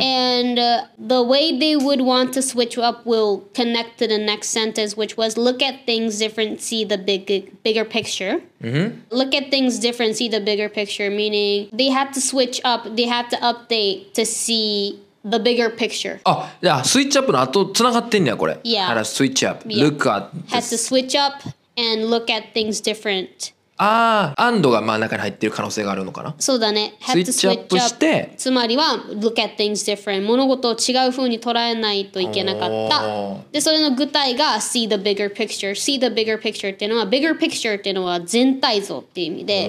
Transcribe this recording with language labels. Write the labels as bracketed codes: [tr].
[en] And the way they would want to switch up will connect to the next sentence, which was look at things different, see the bigger picture. Mm-hmm. Look at things different, see the bigger picture, meaning they had to switch up, they had to update to see... The bigger picture. [ja] あ、じゃあスイッチアップの後つながってんねやこれ。 [en] Yeah. [ja] だからスイッチアップ。 [en] Yeah. Look at. Has to switch up and look at things different. [ja] ああ、 [en] and [ja] が真ん中に入ってる可能性があるのかな。そうだね。 [en] Has to switch up [ja] して。つまりは [en] look at things different. [ja] 物事を違う風に捉えないといけなかった。で、それの具体が [en] see the bigger picture. See the bigger picture [ja] っていうのは bigger picture っていうのは全体像っていう意味で、